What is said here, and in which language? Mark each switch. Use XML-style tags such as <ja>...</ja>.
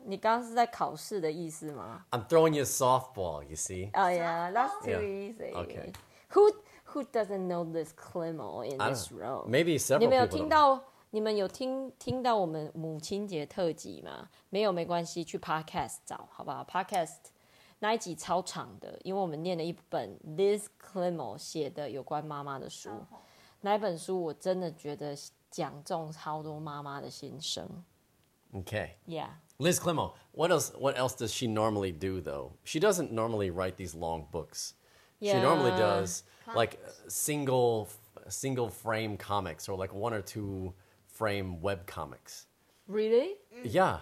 <zh>你刚刚是在考试的意思吗?</zh> <en>I'm throwing you a softball, you see. Oh, yeah. That's too easy. Okay. Who doesn't know Liz Klimo in this room? Maybe several people.</en> <zh>你们有听到你们有听到我们母亲节特辑吗？没有没关系，去 podcast 找好不好 ？Podcast 那一集超长的，因为我们念了一本 Liz Klimo 写的有关妈妈的书。那一本书我真的觉得讲中超多妈妈的心声。</zh> <en>Okay. Yeah. Liz Klimo, what else does she normally do though? She doesn't normally write these long books. Yeah. She normally does, like, single frame comics or, like, one or two frame web comics. Really? Yeah.</en>